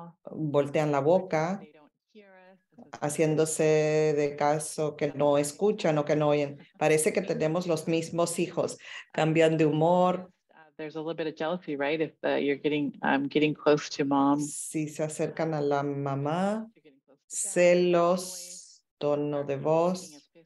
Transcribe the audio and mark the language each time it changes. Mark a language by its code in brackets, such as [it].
[es] voltean la boca, haciéndose de caso que no escuchan o que no oyen. Parece que tenemos los mismos hijos, cambian de humor. [en] There's a little bit of jealousy, right? If you're getting getting close to mom. [es] Si se acercan a la mamá, celos, tono de voz.